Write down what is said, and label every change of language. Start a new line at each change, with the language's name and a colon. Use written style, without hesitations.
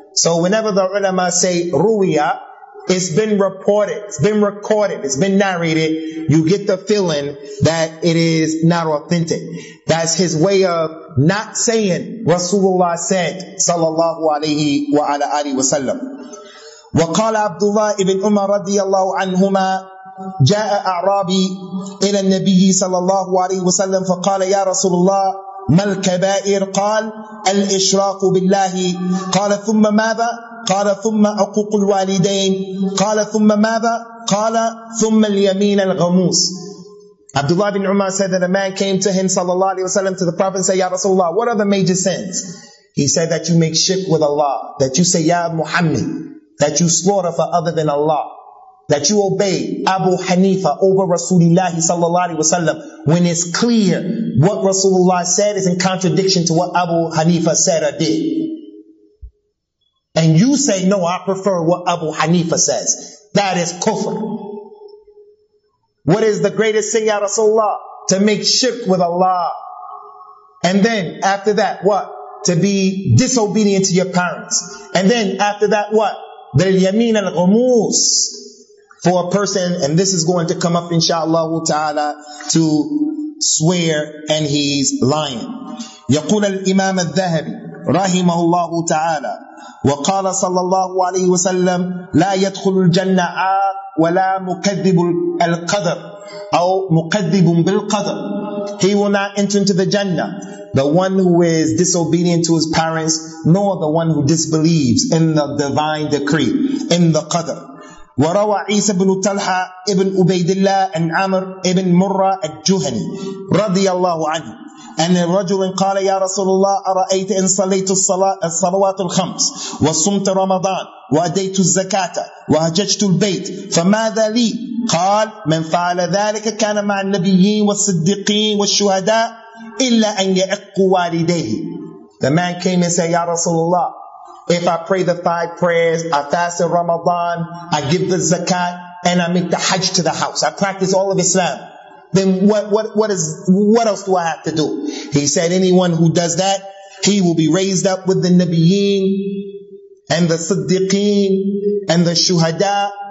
English: So whenever the ulama say Ruwiya, it's been reported, it's been recorded, it's been narrated, you get the feeling that it is not authentic. That's his way of not saying Rasulullah said, sallallahu alayhi wa ala alihi wa sallam.
Arabic: وقال عبد الله بن عمر رضي الله عنهما جاء أعرابي إلى النبي صلى الله عليه وسلم فقال يا رسول الله ما الكبائر قال الإشراك بالله قال ثم ماذا قال ثم عقوق الوالدين قال ثم ماذا قال ثم اليمين الغموس.
English: Abdullah ibn Umar said that a man came to him
Arabic: صلى الله عليه وسلم
English: to the Prophet and said,
Arabic: يا رسول الله,
English: what are the major sins? He said that you make shirk with Allah, that you say,
Arabic: يا محمد,
English: that you slaughter for other than Allah, that you obey Abu Hanifa over Rasulullah sallallahu alaihi wasallam, when it's clear what Rasulullah said is in contradiction to what Abu Hanifa said or did. And you say, no, I prefer what Abu Hanifa says. That is kufr. What is the greatest sin, ya Rasulullah? To make shirk with Allah. And then after that, what? To be disobedient to your parents. And then after that, what?
Arabic: بِالْيَمِينَ الْغُمُوسِ.
English: For a person, and this is going to come up inshallah ta'ala, to swear and he's lying.
Arabic: يقول الإمام الذهبي رحمه الله تعالى وقال صلى الله عليه وسلم لا يدخل الجنة عاق ولا مكذب القدر أو مكذب بالقدر.
English: He will not enter into the Jannah, the one who is disobedient to his parents, nor the one who disbelieves in the divine decree, in the qadr.
Arabic: وَرَوَى عِيسَى بْنُ تَلْحَى ابْنْ عُبَيْدِ اللَّهِ أَنْ عَمْرْ ابْنْ مُرَّى الْجُهَنِي رضي الله عنه أن الرجل قال يا رسول الله أرأيت إن صليت الصلوات الخمس وصمت رمضان وأديت الزكاة وهججت البيت فماذا لي؟ قال من فعل ذلك كان مع النبيين والصديقين والشهداء إلا أن يعقوا والديه.
English: The man came and said,
Arabic: يا رسول الله,
English: if I pray the five prayers, I fast in Ramadan, I give the zakat, and I make the hajj to the house, I practice all of Islam, then what else do I have to do? He said, anyone who does that, he will be raised up with the Nabiyeen and the Siddiqeen and the Shuhada